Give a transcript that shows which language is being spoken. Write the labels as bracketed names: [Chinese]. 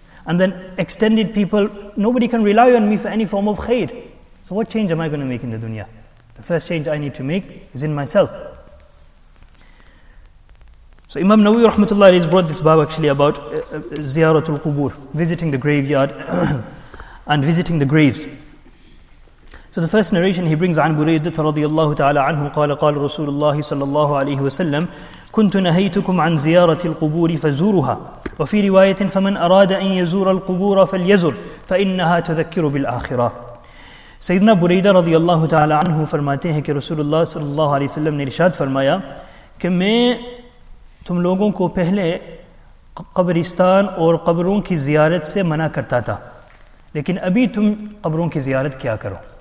[English] And then extended people, nobody can rely on me for any form of khair. So what change am I going to make in the dunya? The first change I need to make is in myself. So Imam Nawawi rahmatullah has brought this bab actually about ziyaratul qubur, visiting the graveyard and visiting the graves. [Arabic] So the first narration he brings, عن بريدة رضي الله تعالى عنه قال قال رسول الله صلى الله عليه وسلم كنت نهيتكم عن زيارة القبور فزورها وفي رواية فمن أراد أن يزور القبور فليزر فإنها تذكر بالآخرة. [Urdu] سيدنا بريدة رضي الله تعالى عنه فرماتے ہیں کہ رسول الله صلى الله عليه وسلم نے ارشاد فرمایا کہ میں تم لوگوں کو پہلے قبرستان اور قبروں کی زیارت سے منع کرتا تھا لیکن ابھی تم قبروں کی زیارت کیا کرو